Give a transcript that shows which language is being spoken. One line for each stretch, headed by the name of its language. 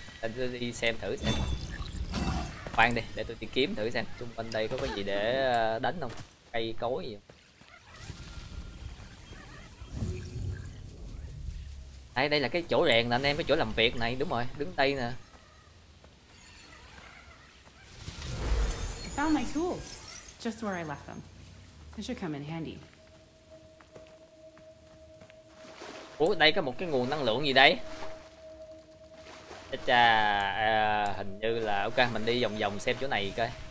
Vietnamese: Tôi đi xem thử xem. Khoan đi, để tôi đi kiếm thử xem xung quanh đây có gì để đánh không, cây cối gì không. Đây đây là cái chỗ rèn nè anh em, cái chỗ làm việc này, đúng rồi, đứng đây nè.
English: Found my tools, just where I left them. They should come in handy.
Vietnamese: Ủa, đây có một cái nguồn năng lượng gì đây? Chà, hình như là ok, mình đi vòng vòng xem chỗ này coi.